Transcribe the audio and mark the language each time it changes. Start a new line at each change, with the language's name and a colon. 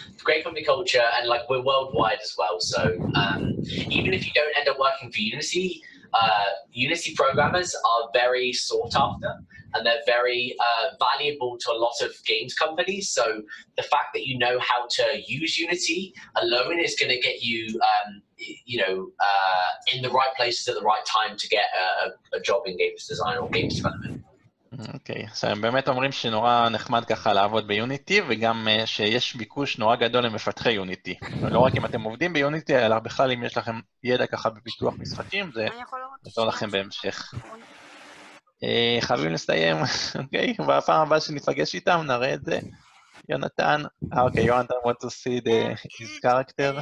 English: Great company culture, and like we're worldwide as well. So even if you don't end up working for Unity, Unity programmers are very sought after, and they're very valuable to a lot of games companies. So the fact that you know how to use Unity alone is going to get you, you know, in the right places at the right time to get a job in games design or games development.
Hebrew: אוקיי, אז הם באמת אומרים שנורא נחמד ככה לעבוד ביוניטי, וגם שיש ביקוש נורא גדול למפתחי יוניטי. לא רק אם אתם עובדים ביוניטי, אלא בכלל אם יש לכם ידע ככה בפיתוח משחקים, זה נתור לכם בהמשך. חייבים לסיים, אוקיי? והפעם הבאה שנפגש איתם, נראה את זה.
English: יונתן, אוקיי, יונתן, want to see the his character.